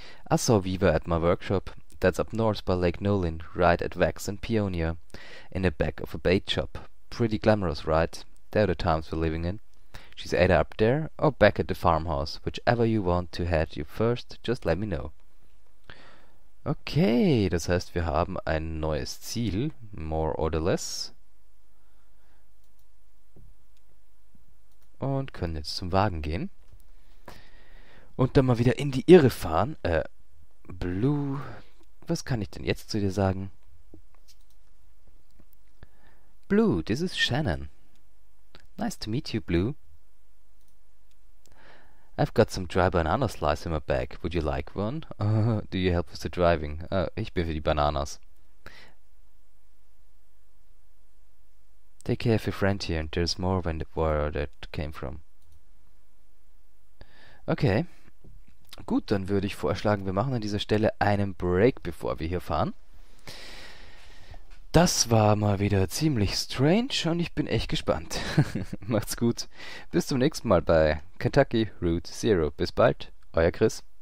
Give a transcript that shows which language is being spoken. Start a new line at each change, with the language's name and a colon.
English: I saw Viva at my workshop. That's up north by Lake Nolin, right at Vax and Peonia, in the back of a bait shop. Pretty glamorous, right? They're the times we're living in. She's either up there or back at the farmhouse. Whichever you want to head you first, just let me know.
German: Okay, das heißt, wir haben ein neues Ziel,
English: more or less.
German: Und können jetzt zum Wagen gehen. Und dann mal wieder in die Irre fahren. Blue, was kann ich denn jetzt zu dir sagen?
English: Blue, this is Shannon. Nice to meet you, Blue. I've got some dry banana slice in my bag. Would you like one? Do you help with the driving?
German: Ich bin für die Bananas.
English: Take care of your friend here, and there's more where that came from. Okay.
German: Gut, dann würde ich vorschlagen, wir machen an dieser Stelle einen Break, bevor wir hier fahren. Das war mal wieder ziemlich strange und ich bin echt gespannt. Macht's gut. Bis zum nächsten Mal bei Kentucky Route Zero. Bis bald, euer Chris.